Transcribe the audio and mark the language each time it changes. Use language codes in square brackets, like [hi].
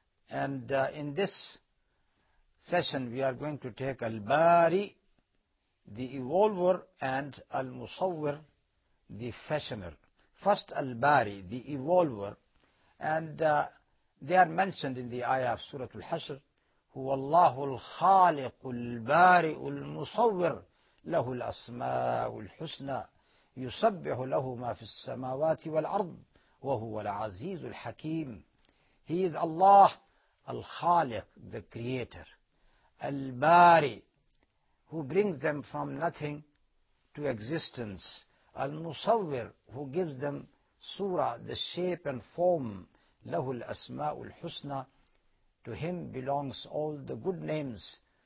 [en] And in this session, we are going to take al-bari, the evolver, and al-musawwir, the fashioner. First, al-bari, the evolver. And They are mentioned in the ayah of Surah Al-Hashr. [ar] هو الله الخالق البارئ المصور له الأسماء الحسنى يسبح له ما في السماوات والأرض وهو العزيز الحكيم. [en] He is Allah, الخالق, the creator. البارئ, who brings them from nothing to existence. المصور, who gives them surah, the shape and form. [ar] له الأسماء الحسنى, [en] to him belongs all the good names.